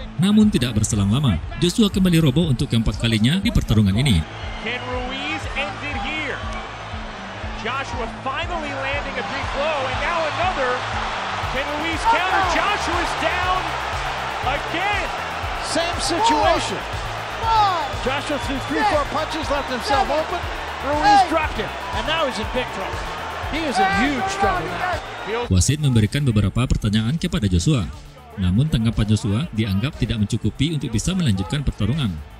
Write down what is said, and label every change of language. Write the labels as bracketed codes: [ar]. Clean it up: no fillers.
[id] Namun tidak berselang lama, Joshua kembali roboh untuk keempat kalinya di pertarungan ini. [en] Can Ruiz end it here? Joshua finally landing a big blow, and now another. Can Ruiz counter? Joshua's down again. Same situation. Five, Joshua threw three, four punches, left himself open. Ruiz dropped him, and now he's in big trouble. He is a huge trouble now. [id] Wasit memberikan beberapa pertanyaan kepada Joshua, namun tanggapan Joshua dianggap tidak mencukupi untuk bisa melanjutkan pertarungan.